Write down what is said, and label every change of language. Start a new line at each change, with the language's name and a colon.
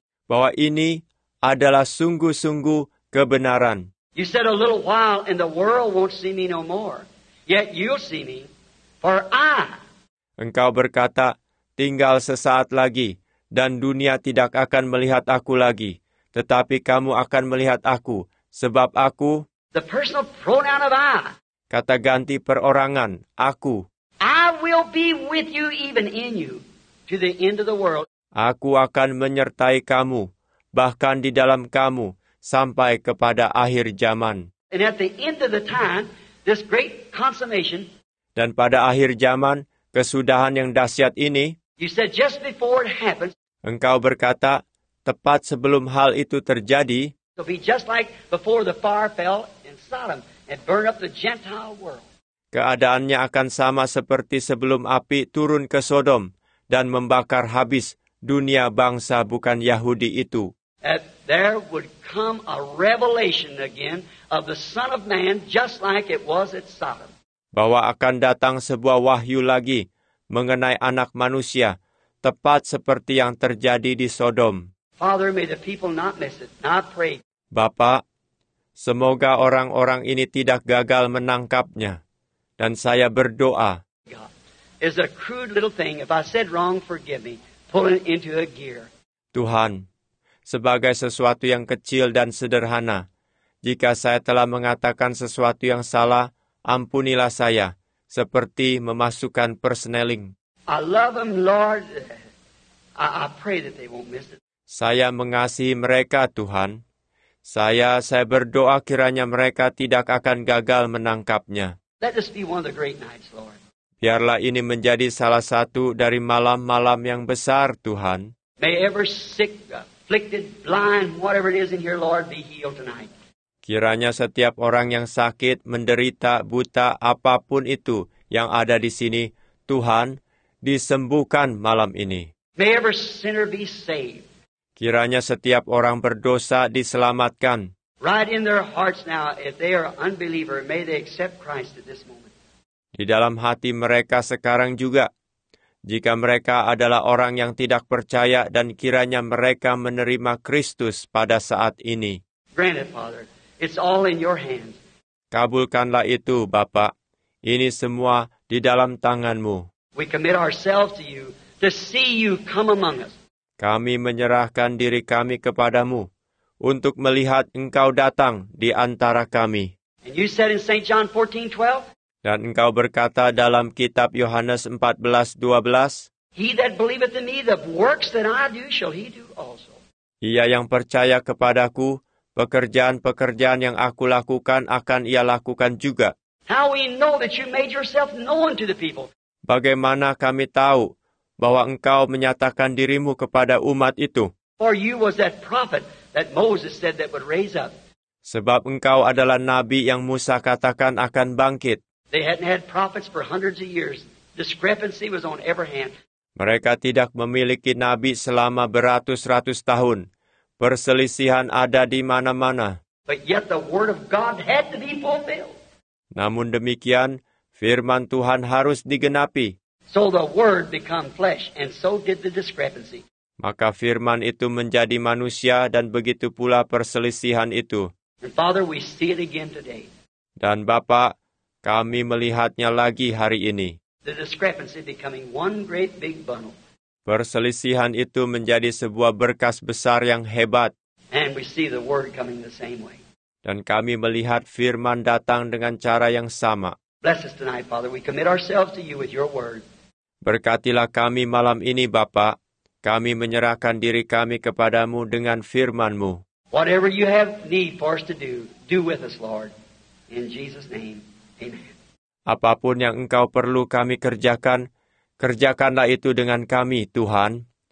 Indonesian: Bahwa ini adalah sungguh-sungguh kebenaran.
English: You said a little while and the world won't see me no more. Yet you'll see me, for I.
Indonesian: Engkau berkata, tinggal sesaat lagi dan dunia tidak akan melihat aku lagi, tetapi kamu akan melihat aku, sebab aku.
English: The personal pronoun of I.
Indonesian: Kata ganti perorangan, aku.
English: I will be with you even in you to the end of the world.
Indonesian: Aku akan menyertai kamu, bahkan di dalam kamu, sampai kepada akhir zaman.
English: And at the end of the time, this great consummation.
Indonesian: Dan pada akhir zaman, kesudahan yang dahsyat ini.
English: You said just before it happens.
Indonesian: Engkau berkata, tepat sebelum hal itu terjadi.
English: It'll be just like before the fire fell in Sodom and burned up the Gentile world.
Indonesian: Keadaannya akan sama seperti sebelum api turun ke Sodom dan membakar habis dunia bangsa bukan Yahudi itu.
English: That there would come a revelation again of the Son of Man just like it was at Sodom.
Indonesian: Bahwa akan datang sebuah wahyu lagi mengenai Anak Manusia tepat seperti yang terjadi di Sodom.
English: Father, may the people not miss it. I pray.
Indonesian: Bapak, semoga orang-orang ini tidak gagal menangkapnya. Dan saya berdoa.
English: God, it's a crude little thing. If I said wrong, forgive me. Pull it into a gear.
Indonesian: Tuhan, sebagai sesuatu yang kecil dan sederhana, jika saya telah mengatakan sesuatu yang salah, ampunilah saya, seperti memasukkan persneling.
English: I love them, Lord. I pray that they won't miss it.
Indonesian: Saya mengasihi mereka, Tuhan. Saya berdoa kiranya mereka tidak akan gagal menangkapnya.
English: Let this be one of the great nights, Lord.
Indonesian: Biarlah ini menjadi salah satu dari malam-malam yang besar, Tuhan.
English: May every sick, afflicted, blind, whatever it is in here, Lord, be healed tonight.
Indonesian: Kiranya setiap orang yang sakit, menderita, buta, apapun itu yang ada di sini, Tuhan, disembuhkan malam ini.
English: May every sinner be saved.
Indonesian: Kiranya setiap orang berdosa diselamatkan.
English: Right in their hearts now, if they are unbeliever, may they accept Christ at this moment.
Indonesian: Di dalam hati mereka sekarang juga, jika mereka adalah orang yang tidak percaya dan kiranya mereka menerima Kristus pada saat ini.
English: Grant it, Father. It's all in your hands.
Indonesian: Kabulkanlah itu, Bapa. Ini semua di dalam tangan-Mu.
English: We commit ourselves to you to see you come among us.
Indonesian: Kami menyerahkan diri kami kepada-Mu untuk melihat Engkau datang di antara kami.
English: And you said in St. John 14:12.
Indonesian: Dan Engkau berkata dalam kitab Yohanes 14:12.
English: He that believeth in me, the works that I do shall he do also.
Indonesian: Ia yang percaya kepada-Ku, pekerjaan-pekerjaan yang aku lakukan akan ia lakukan juga.
English: How we know that you made yourself known to the people?
Indonesian: Bagaimana kami tahu bahwa Engkau menyatakan diri-Mu kepada umat itu?
English: For you was that prophet that Moses said that would raise up.
Indonesian: Sebab Engkau adalah nabi yang Musa katakan akan bangkit.
English: They hadn't had prophets for hundreds of years. Discrepancy was on every hand.
Indonesian: Mereka tidak memiliki nabi selama beratus-ratus tahun. Perselisihan ada di mana-mana.
English: But yet the word of God had to be fulfilled.
Indonesian: Namun demikian, firman Tuhan harus digenapi.
English: So the word became flesh, and so did the discrepancy.
Indonesian: Maka firman itu menjadi manusia, dan begitu pula perselisihan itu.
English: And Father, we see it again today.
Indonesian: Dan Bapa, kami melihatnya lagi hari ini.
English: The discrepancy becoming one great big bundle.
Indonesian: Perselisihan itu menjadi sebuah berkas besar yang hebat.
English: And we see the word coming the same way.
Indonesian: Dan kami melihat firman datang dengan cara yang sama.
English: Bless us tonight, Father. We commit ourselves to you with your word.
Indonesian: Berkatilah kami malam ini, Bapa. Kami menyerahkan diri kami kepada-Mu dengan firman-Mu.
English: Whatever you have need for us to do, do with us, Lord. In Jesus' name, amen.
Indonesian: Apapun yang Engkau perlu kami kerjakan, kerjakanlah itu dengan kami, Tuhan.